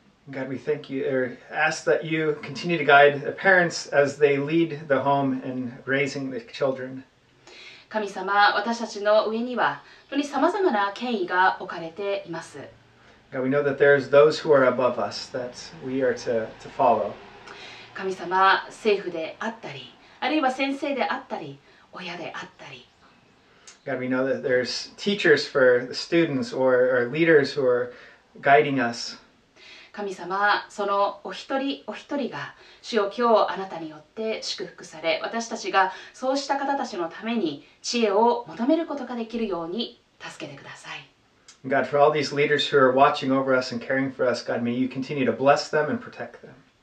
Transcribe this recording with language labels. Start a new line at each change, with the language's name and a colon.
English: God, we thank you, or ask that you continue to guide the parents as they lead the home and raising the children.
Japanese: 神様、私たちの上には本当に様々な権威が置かれています。
English: God, we know that there's those who are above us that we are to follow.
Japanese: 神様、政府であったり、あるいは先生であったり、親であったり。
English: God, we know that there's teachers for the students or leaders who are guiding us.
Japanese: 神様、そのお一人お一人が主よ、今日あなたによって祝福され、私たちがそうした方たちのために知恵を求めることができるように助けてください。
English: God, for all these leaders who are watching over us and caring for us, God, may you continue to bless them and protect them.